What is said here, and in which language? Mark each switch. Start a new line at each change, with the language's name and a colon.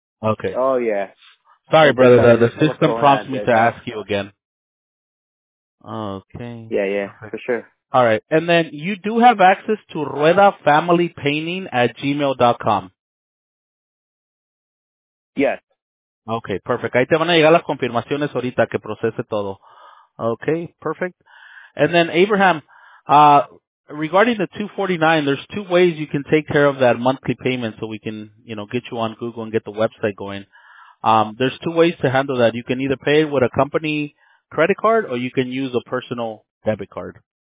English: Okay. Oh, yeah. Sorry, brother, the system prompts me to ask you again. Okay. Yeah, for sure. All right, and then you do have access to ruedafamilypainting@gmail.com. Yes. Okay, perfect.
Spanish: Ahí te van a llegar las confirmaciones ahorita que procese todo.
English: Okay, perfect. And then, Abraham, regarding the $249, there's two ways you can take care of that monthly payment so we can, you know, get you on Google and get the website going. There's two ways to handle that. You can either pay it with a company credit card or you can use a personal debit card.